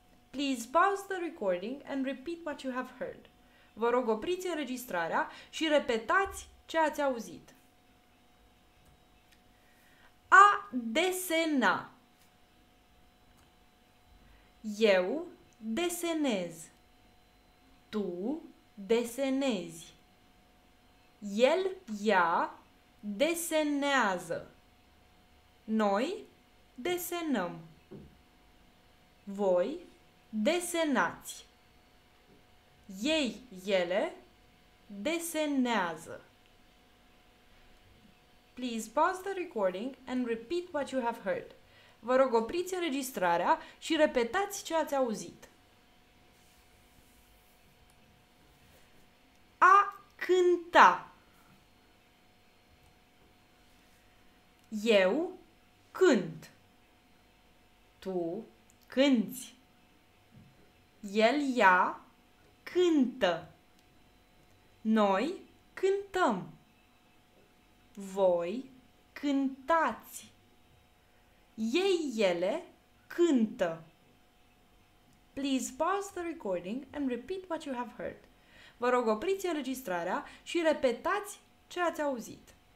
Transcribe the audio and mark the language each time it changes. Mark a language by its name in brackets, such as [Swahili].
[English] Please pause the recording and repeat what you have heard. [Romanian] Vă rog, opriți înregistrarea și repetați ce ați auzit. A desena. Eu desenez. Tu desenezi. El, ea desenează. Noi desenăm. Voi desenați. Ei, ele desenează. [English] Please pause the recording and repeat what you have heard. [Romanian] Vă rog, opriți înregistrarea și repetați ce ați auzit. A cânta. Eu cânt. Tu cânți. El, ea cântă. Noi cântăm. Voi cântați. Ei, ele cântă. [English] Please pause the recording and repeat what you have heard. [Romanian] Vă rog, opriți înregistrarea și repetați ce ați auzit.